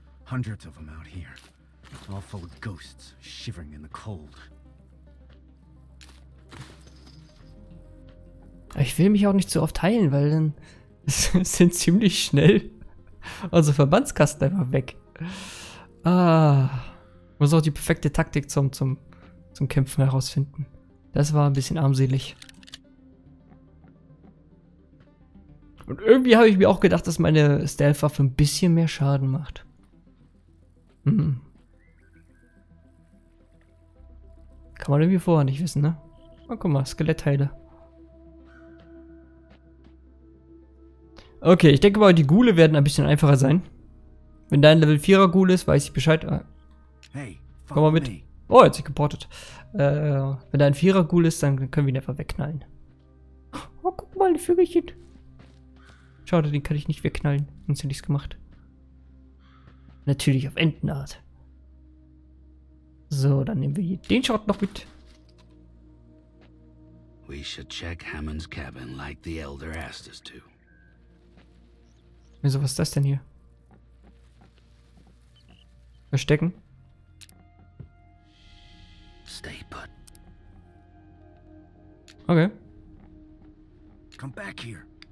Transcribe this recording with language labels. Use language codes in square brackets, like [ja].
[en] Hundreds of them out here, all full of ghosts shivering in the cold. [de] Ich will mich auch nicht so oft heilen, weil dann sind ziemlich schnell unsere Verbandskasten einfach weg. Ah, muss auch die perfekte Taktik zum zum Kämpfen herausfinden. Das war ein bisschen armselig. Und irgendwie habe ich mir auch gedacht, dass meine Stealth-Waffe ein bisschen mehr Schaden macht. Kann man irgendwie vorher nicht wissen, ne? Oh, guck mal, Skelettteile. Okay, ich denke mal, die Ghule werden ein bisschen einfacher sein. Wenn dein Level 4er Ghule ist, weiß ich Bescheid. Hey, komm mal mit. Oh, jetzt ist geportet. Wenn dein 4er Ghule ist, dann können wir ihn einfach wegknallen. Oh, guck mal, ein Vögelchen. Schade, den kann ich nicht wegknallen, sonst hätte ich es gemacht. Natürlich auf Entenart. So, dann nehmen wir hier den Shot noch mit. [en] We should check Hammond's cabin like the Elder asked us to. [de] Wieso, was ist das denn hier? Verstecken? [en] Stay put. Okay. Come back here.